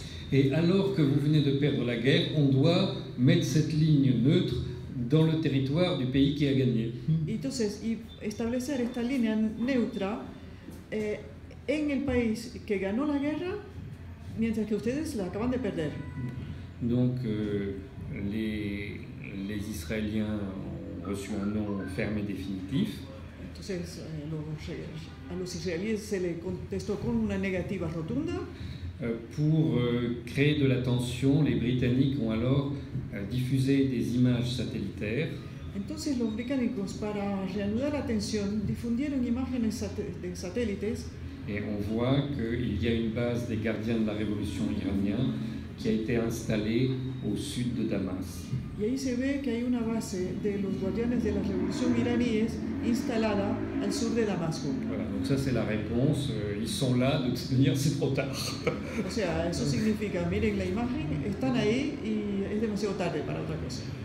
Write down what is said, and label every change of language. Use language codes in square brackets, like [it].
[fr] Et alors que vous venez de perdre la guerre, on doit mettre cette ligne neutre dans le territoire du pays qui a gagné. [es] Entonces, y establecer esta línea neutra en el país que ganó la guerra, mientras que ustedes la acaban de perder. [fr] Donc, les Israéliens reçu un nom ferme et définitif. [es] Entonces, a los israelíes se les contestó con una negativa rotunda. [fr] Pour créer de la tension, les Britanniques ont alors diffusé des images satellitaires. [es] Entonces, los británicos, para reanudar la tensión, difundieron imágenes de satélites. [fr] Et on voit qu'il y a une base des gardiens de la révolution iranienne qui a été installée au sud de Damas. [es] Y ahí se ve que hay una base de los guardianes de la revolución iraníes instalada al sur de Damasco. [fr] Voilà, donc ça c'est la réponse, ils sont là, de toute manière c'est trop tard. [es] O sea, eso significa, miren la imagen, están ahí y es demasiado tarde para otra cosa.